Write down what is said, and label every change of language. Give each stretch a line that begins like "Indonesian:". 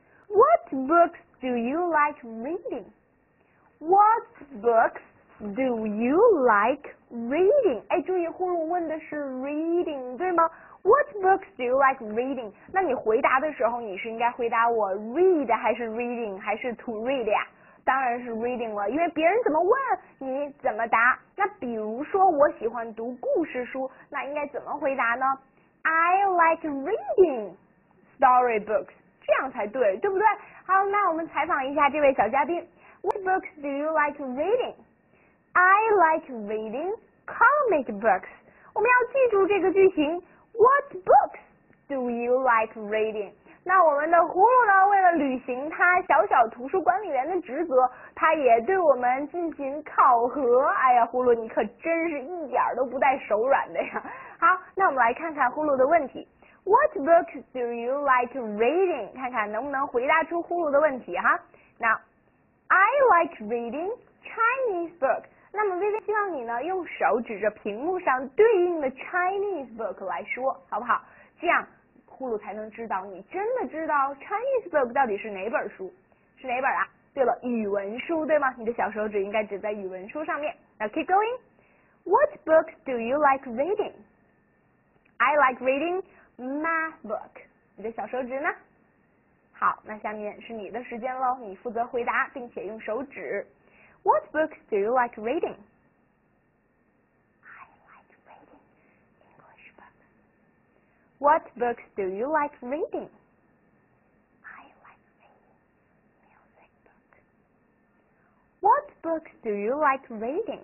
English: What books do you like reading? What books? Do you like reading?
Chinese: 哎，注意，呼噜问的是 reading， 对吗？
English: What books do you like reading?
Chinese: 那你回答的时候，你是应该回答我 read 还是 reading 还是 to read 呀？当然是 reading 了，因为别人怎么问你怎么答。那比如说我喜欢读故事书，那应该怎么回答呢？
English: I like reading story books，
Chinese: 这样才对，对不对？好，那我们采访一下这位小嘉宾。
English: What books do you like reading? I like reading comic books.
Chinese: 我们要记住这个句型。
English: What books do you like reading?
Chinese: 那我们的呼噜呢，为了履行他小小图书管理员的职责，他也对我们进行考核。哎呀，呼噜，你可真是一点都不带手软的呀。好，那我们来看看呼噜的问题。
English: What books do you like reading?
Chinese: 看看能不能回答出呼噜的问题哈。
English: 那 I like reading Chinese books.
Chinese: 那么薇薇希望你呢用手指着屏幕上对应的 Chinese book 来说，好不好？这样呼噜才能知道你真的知道 Chinese book 到底是哪本书，是哪本啊？对了，语文书，对吗？你的小手指应该指在语文书上面。
English: Now keep going. What books do you like reading? I like reading math book.
Chinese: 你的小手指呢？好，那下面是你的时间咯，你负责回答并且用手指。
English: What books do you like reading? I like reading English books. What books do you like reading? I like reading music books. What books do you like reading?